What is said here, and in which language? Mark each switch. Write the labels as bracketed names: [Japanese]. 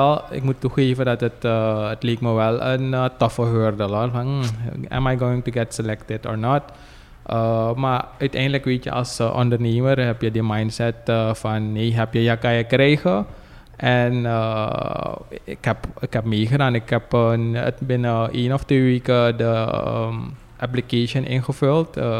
[Dutch] Ik moet toegeven dat het leek me wel een toffe hurdel. [English] Am I going to get selected or not? [Dutch] Maar uiteindelijk weet je, als ondernemer heb je die mindset van nee, heb je ja, kan je krijgen. En ik heb meegedaan. Ik heb binnen 1 of 2 weken de application ingevuld.